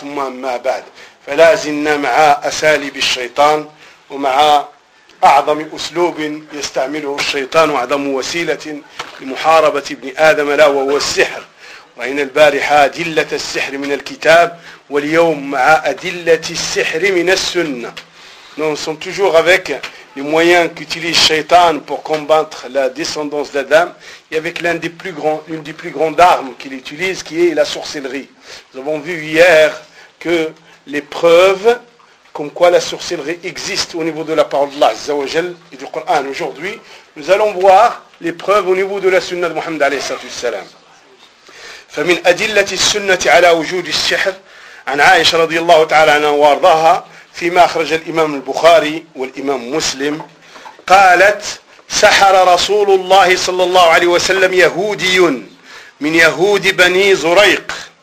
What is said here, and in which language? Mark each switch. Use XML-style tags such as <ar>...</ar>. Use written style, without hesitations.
<ar>ثم أما بعد، فلا زلنا مع أساليب الشيطان ومع أعظم أسلوب يستعمله الشيطان وأعظم وسيلة لمحاربة ابن آدم، لا وهو السحر. رأينا البارحة أدلة السحر من الكتاب، واليوم مع أدلة السحر من السنة.</ar> <fr>Nous sommes toujours avec les moyens qu'utilise Shaitan pour combattre la descendance d'Adam, et avec l'une des plus grandes armes qu'il utilise, qui est la sorcellerie. Nous avons vu hier que les preuves comme quoi la sorcellerie existe au niveau de la parole d'Allah, Azza wa Jal, et du Coran. Aujourd'hui, nous allons voir les preuves au niveau de la sunna de Mohammed alayhi salatu wassalam.</fr> <ar>فَمِنْ أَدِلَّةِ السُنَّةِ عَلَى وُجُودِ السِّحْرِ عَنْ عَائِشَ رَضِيَ اللَّهُ تَعَالَى عَنْهَا وَأَرْضَاهَا فيما أخرج الإمام البخاري والإمام مسلم، قالت: سحر رسول الله صلى الله عليه وسلم يهودي من يهود بني زريق</ar>